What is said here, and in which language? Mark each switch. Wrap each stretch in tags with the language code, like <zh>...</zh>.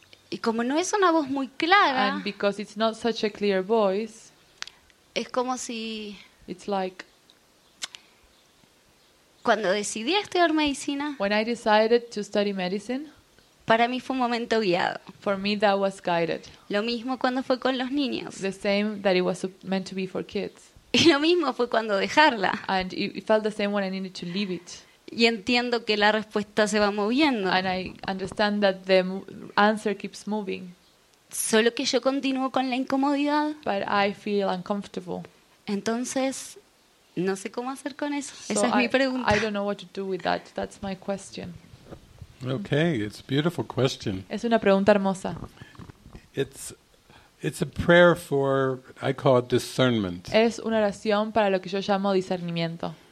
<es>Y como no es una voz muy clara,</es> <en>and because it's not such a clear voice,</en> <es>es como si</es> <en>it's like</en> <es>cuando decidí estudiar medicina,</es> <en>when I decided to study medicine,</en> <es>para mí fue un momento guiado.</es> <en>For me that was guided.</en> <es>Lo mismo cuando fue con los niños.</es> <en>The same that it was meant to be for kids.</en> <es>Y lo mismo fue cuando dejarla.</es> <en>And it felt the same when I needed to leave it.</en> <es>Y entiendo que la respuesta se va moviendo.</es> <en>And I understand that the answer keeps moving.</en> <es>Solo que yo continúo con la incomodidad.</es> <en>But I feel uncomfortable.</en> <es>Entonces, no sé cómo hacer con eso. Esa es mi pregunta.</es> <en>I don't know what to do with that. That's my question. Okay, it's a beautiful question.</en> <es>Es una pregunta hermosa.</es> <en>It's a prayer for I call it discernment.</en> <es>Es una oración para lo que yo llamo discernimiento.</es>